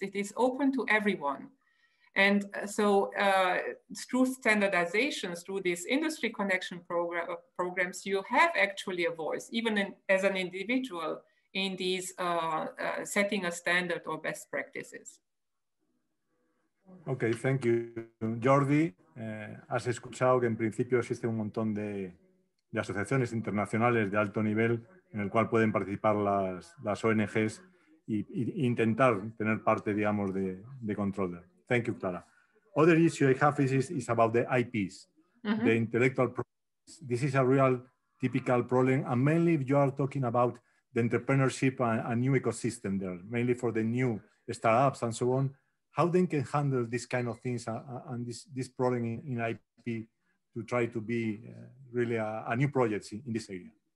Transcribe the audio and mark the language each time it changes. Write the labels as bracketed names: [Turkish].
[English] It is open to everyone. And so through standardization, through these industry connection programs, you have actually a voice, even as an individual, in these setting a standard or best practices. Okay, thank you. [Spanish] Jordi, has escuchado que en principio existe un montón de asociaciones internacionales de alto nivel en el cual pueden participar las ONGs e intentar tener parte, digamos, de control. [English] Thank you, Clara. Other issue I have is about the IPs, mm-hmm. the intellectual properties. This is a real typical problem, and mainly if you are talking about the entrepreneurship and a new ecosystem there, mainly for the new startups and so on, how they can handle this kind of things and this problem in IP to try to be really a new project in this area?